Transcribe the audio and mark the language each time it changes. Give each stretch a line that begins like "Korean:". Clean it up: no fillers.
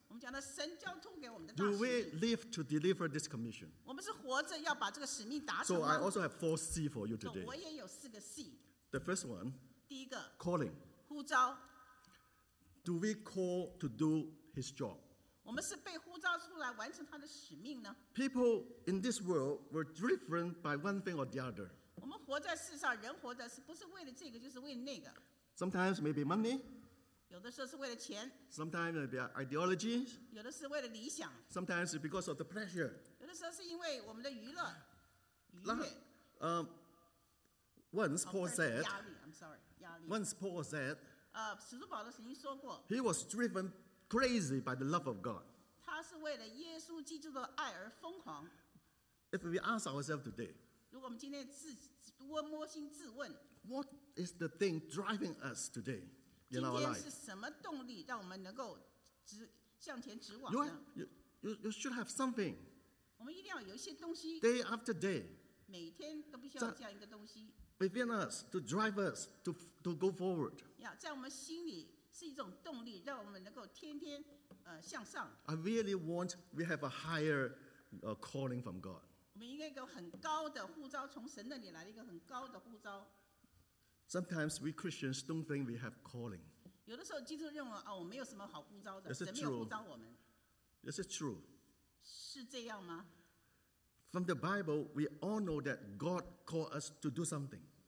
Chinese: 我们讲到神交托给我们的大使命。
English: Do we live to deliver this commission?
Chinese: 我们是活着要把这个使命达成。
English: So I also have 4 C for you today.
Chinese: 我也有四个C。
English: The first one.
Chinese: 第一个。
English: Calling.
Chinese: 呼召。
English: Do we call to do His job? People in this world were driven by one thing or the other.
Chinese: 我们活在世上，人活着是不是为了这个，就是为了那个。
English: Sometimes maybe money.
Chinese: 有的时候是为了钱。
English: Sometimes maybe ideologies.
Chinese: 有的是为了理想。
English: Sometimes because of the pleasure.
Chinese: 有的时候是因为我们的娱乐。
English: Once Paul said. Once Paul said.
Chinese: 使徒保罗曾经说过。
English: He was driven crazy by the love of God.
Chinese: 他是为了耶稣基督的爱而疯狂。
English: If we ask ourselves today,
Chinese: 如果我们今天自问，
English: what is the thing driving us today in our life?
Chinese: 今天是什么动力让我们能够向前直往呢？
English: You should have something.
Chinese: 我们一定要有一些东西。
English: Day after day,
Chinese: 每天都必须要这样一个东西。
English: Within us, to drive us to go forward.
Chinese: 在我们心里。是一种动力，让我们能够天天向上。
English: I really want we have a higher calling from God.
Chinese: 我们应该有很高的呼召，从神那里来的一个很高的呼召。
English: Sometimes we Christians don't think we have calling.
Chinese: 有的时候基督认为，我没有什么好呼召的，神没有呼召我们。
English: Is it true?
Chinese: 是这样吗？
English: From the Bible, we all know that God called us to do something.